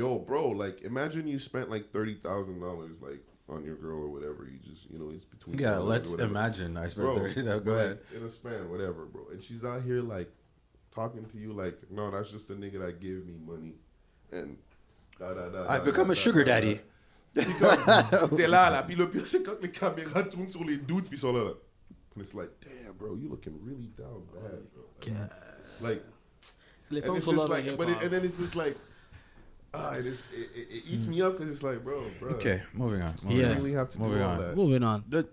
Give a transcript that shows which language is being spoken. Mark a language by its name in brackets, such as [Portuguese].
[English] Yo, bro, like, imagine you spent, like, $30,000, like, on your girl or whatever. You just, you know, it's between. Yeah, let's imagine I spent $30,000. Go ahead. In a span, whatever, bro. And she's out here, like, talking to you, like, no, that's just the nigga that gave me money. And... I've become a sugar daddy. [French] Puis le pire, c'est quand les caméras tournent sur les dudes, puis sont là. [English] And it's like, damn, bro, you looking really down bad, bro. Like, and then it's just like, it eats me up because it's like, bro. Okay, moving on. We really have to do all that. Moving on.